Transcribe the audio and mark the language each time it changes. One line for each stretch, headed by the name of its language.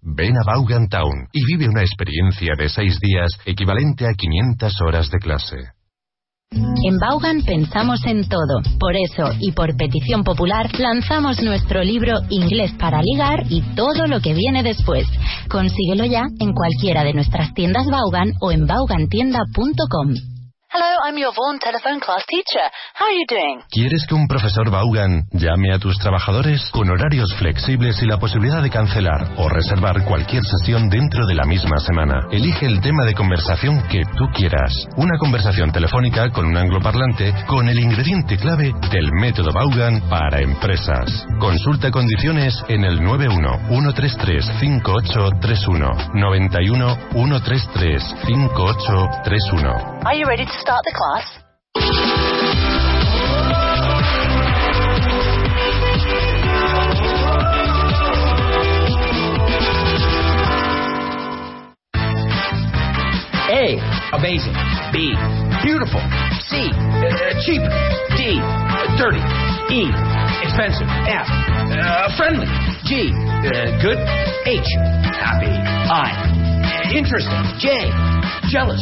Spanish: Ven a Vaughan Town y vive una experiencia de 6 días equivalente a 500 horas de clase. En Vaughan pensamos en todo. Por eso, y por petición popular, lanzamos nuestro libro Inglés para ligar y todo lo que viene después. Consíguelo ya en cualquiera de nuestras tiendas Vaughan o en vaughantienda.com.
English: Hello, I'm your Vaughan telephone class teacher. How are you doing?
Spanish: ¿Quieres que un profesor Vaughan llame a tus trabajadores con horarios flexibles y la posibilidad de cancelar o reservar cualquier sesión dentro de la misma semana? Elige el tema de conversación que tú quieras. Una conversación telefónica con un angloparlante con el ingrediente clave del método Vaughan para empresas. Consulta condiciones en el 91-133-5831. 91-133-5831.
English: Are you ready to start the class? A. Amazing. B. Beautiful. C. Cheap. D. Dirty. E. Expensive. F. Friendly. G. Good. H. Happy. I. Interesting. J. Jealous.